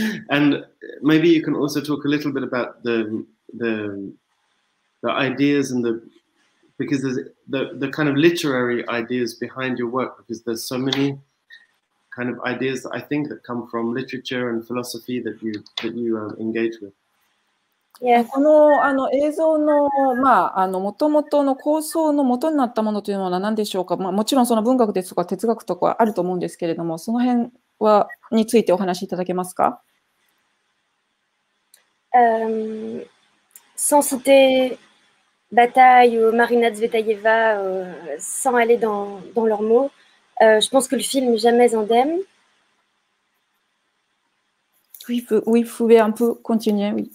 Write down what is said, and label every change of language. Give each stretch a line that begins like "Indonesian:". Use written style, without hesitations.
English: And maybe you can also talk a little bit about the ideas and the because the kind of literary ideas behind your work, because there's so many kind of ideas that I think that come from literature and philosophy that you engage with.
Japanese: この映像の、まあ、元々の構想の元になったものというのは何でしょうか、まあ、もちろんその文学ですとか哲学とかあると思うんですけれども、その辺はについてお話しいただけますか。
French: Sans citer Bataille ou Marina Tsvetaeva, sans aller dans leurs mots, je pense que le film Jamais indemne. Oui, vous pouvez un peu continuer, oui.